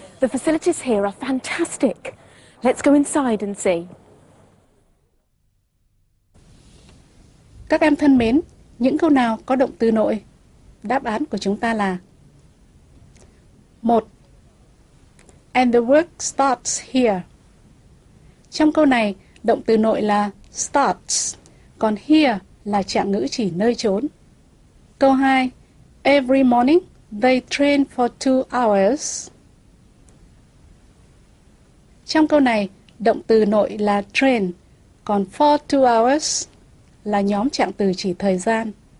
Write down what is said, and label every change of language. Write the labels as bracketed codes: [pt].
[en] facilities here are fantastic. Let's go inside and see. [vi] Các em thân mến, những câu nào có động từ nội? Đáp án của chúng ta là 1. [en] And the work starts here. [vi] Trong câu này, động từ nội là starts, còn here là trạng ngữ chỉ nơi chốn. Câu 2. [en] Every morning they train for 2 hours. [vi] Trong câu này, động từ nội là train, còn [en] for 2 hours [vi] là nhóm trạng từ chỉ thời gian.